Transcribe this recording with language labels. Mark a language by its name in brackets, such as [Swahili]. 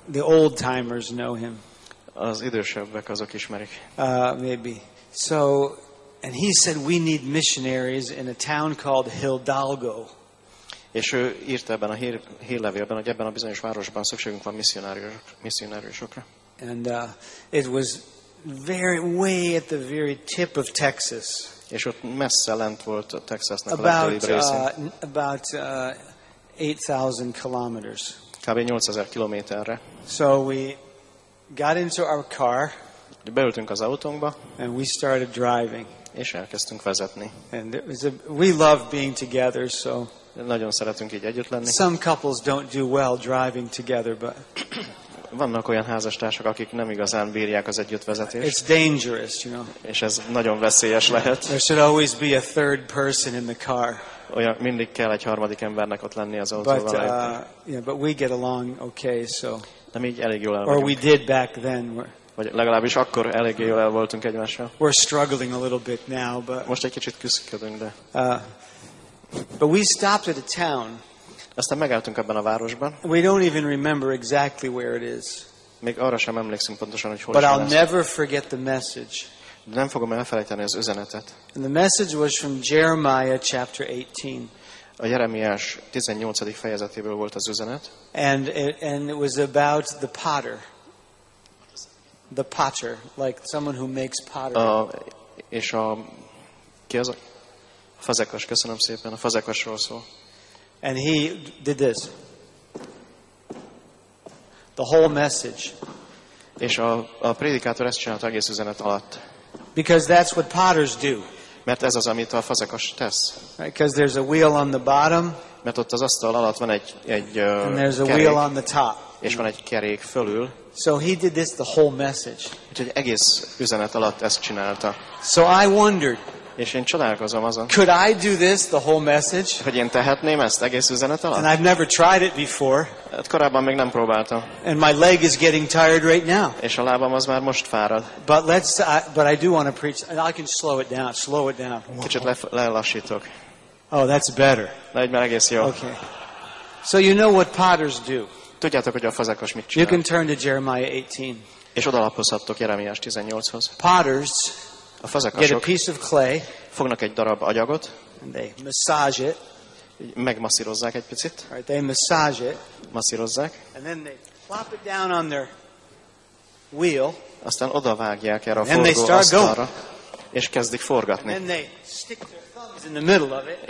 [English] The old timers know him. [Hungarian] Az idősebbek azok ismerik. [English] Maybe. So, and he said we need missionaries in a town called Hidalgo. [Hungarian] És ő írta ebben a hírlevélben, hogy ebben a bizonyos városban szükségünk van missionáriusokra. [English] And it was very way at the very tip of Texas. [Hungarian] És ott messze lent volt a Texasnak [English] about, [Hungarian] a legtöbb részén. [English] About 8,000 kilometers. [Hungarian] Kb. 8,000 kilométerre. [English] So we got into our car. [Hungarian] Beültünk az autónkba. [English] And we started driving. [Hungarian] És elkezdtünk vezetni. [English] And we love being together, so. [Hungarian] Nagyon szeretünk így együtt lenni. [English] Some couples don't do well driving together, but. [Hungarian] Vannak olyan házastársak, akik nem igazán bírják az együttvezetést. [English] It's dangerous, you know. [Hungarian] És ez nagyon veszélyes lehet. [English] There should always be a third person in the car. [Hungarian] Olyan, mindig kell egy harmadik embernek ott lenni az autóval. [English] But we get along okay, so. [Hungarian] De mi így elég jól el vagyunk. [English] Or we did back then. [Hungarian] Vagy legalábbis akkor eléggé jól el voltunk egymással. [English] We're struggling a little bit now, but. [Hungarian] Most egy kicsit küszködünk, de. [English] But we stopped at a town. [Hungarian] Aztán megálltunk ebben a városban. [English] We don't even remember exactly where it is. [Hungarian] Még arra sem emlékszünk pontosan, hogy hol. [English] But I'll never forget the message. [Hungarian] Nem fogom elfelejteni az üzenetet. [English] And the message was from Jeremiah chapter 18. [Hungarian] A Jeremiás 18. fejezetéből volt az üzenet. [English] And it was about the potter. The potter, like someone who makes pottery. [Hungarian] És a ki az a fazekas, köszönöm szépen, a fazekasról szól. [English] And he did this. The whole message. [Hungarian] És a prédikátor ezt csinálta egész üzenet alatt. [English] Because that's what potters do. [Hungarian] Mert ez az, amit a fazekas tesz. [English] Because there's a wheel on the bottom. [Hungarian] Mert ott az asztal alatt van egy [English] and there's a [Hungarian] kerék, [English] wheel on the top. [Hungarian] És van egy kerék fölül. [English] So he did this the whole message. [Hungarian] Úgyhogy egész üzenet alatt ezt csinálta. [English] So I wondered. [Hungarian] És én csodálkozom azon. [English] Could I do this the whole message? [Hungarian] Hogy én tehetném ezt egész üzenet alatt? [English] And I've never tried it before. [Hungarian] Hát korábban még nem próbáltam. [English] And my leg is getting tired right now. [Hungarian] És a lábam az már most fárad. [English] But I do want to preach. I can slow it down. [Hungarian] Kicsit lelassítok. [English] Oh, that's better. [Hungarian] Legy már egész jó. [English] Okay. So you know what potters do. [Hungarian] Tudjátok, hogy a fazekas mit csinál. [English] You can turn to Jeremiah 18. [Hungarian] És odalapozhattok Jeremiás 18-hoz. [English] Potters. [Hungarian] A fazekasok [English] get a piece of clay, [Hungarian] fognak egy darab agyagot, [English] and they massage it, [Hungarian] megmasszírozzák egy picit, [English] right, they massage it, [Hungarian] masszírozzák, [English] and then they plop it down on their wheel, [Hungarian] aztán odavágják erre a forgóasztalra, és kezdik forgatni. [English] And they stick their thumbs in the middle of it,